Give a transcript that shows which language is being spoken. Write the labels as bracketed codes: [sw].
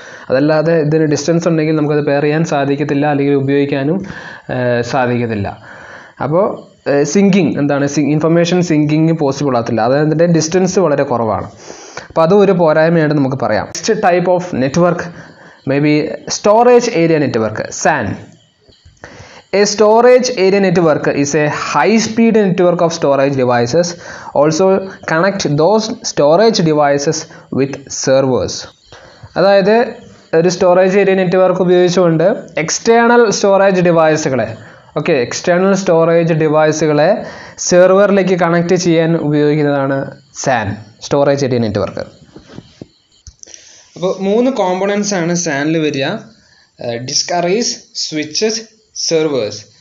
[ml] അതല്ലാതെ ഇതിന് ഡിസ്റ്റൻസ് ഉണ്ടെങ്കിൽ നമുക്കത് പെയർ ചെയ്യാൻ സാധിക്കത്തില്ല, അല്ലെങ്കിൽ ഉപയോഗിക്കാനും സാധിക്കത്തില്ല. അപ്പോൾ സിങ്കിങ് എന്താണ് ഇൻഫർമേഷൻ സിങ്കിങ് പോസിബിൾ ആകത്തില്ല, അതായത് അതിൻ്റെ ഡിസ്റ്റൻസ് വളരെ കുറവാണ്. അപ്പോൾ അതും ഒരു പോരായ്മയായിട്ട് നമുക്ക് പറയാം. [en] next type of network may be storage area network, [ml] San. [en] A storage area network is a high-speed network of storage devices. Also, connect those storage devices with servers. [ml] അതായത് ഒരു സ്റ്റോറേജ് ഏരിയ നെറ്റ്വർക്ക് ഉപയോഗിച്ചുകൊണ്ട് external storage ഡിവൈസുകളെ, okay, external storage ഡിവൈസുകളെ സെർവറിലേക്ക് connect ചെയ്യാൻ ഉപയോഗിക്കുന്നതാണ് San, storage area network. അപ്പോൾ മൂന്ന് components ആണ് സാനിൽ വരിക: disk arrays, switches, servers.